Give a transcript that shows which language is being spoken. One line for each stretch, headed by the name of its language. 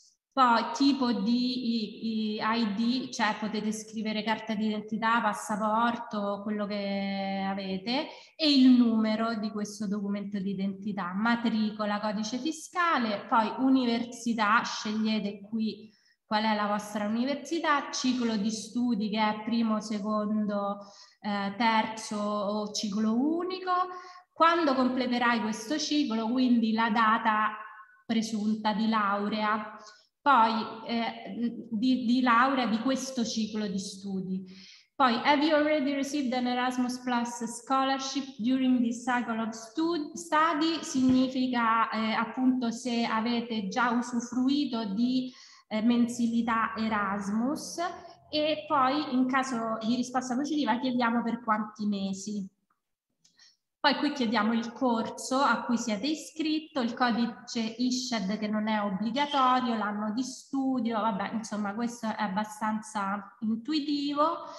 Italian: Poi tipo di ID, cioè potete scrivere carta d'identità, passaporto, quello che avete, e il numero di questo documento d'identità, matricola, codice fiscale, poi università, scegliete qui qual è la vostra università, ciclo di studi che è primo, secondo, terzo o ciclo unico, quando completerai questo ciclo, quindi la data presunta di laurea. Poi di laurea di questo ciclo di studi.
English: Poi, have you already received an Erasmus Plus scholarship during this cycle of study?
Italian: Significa appunto se avete già usufruito di mensilità Erasmus, e poi in caso di risposta positiva chiediamo per quanti mesi. Poi qui chiediamo il corso a cui siete iscritto, il codice ISHED che non è obbligatorio, l'anno di studio, vabbè, insomma, questo è abbastanza intuitivo.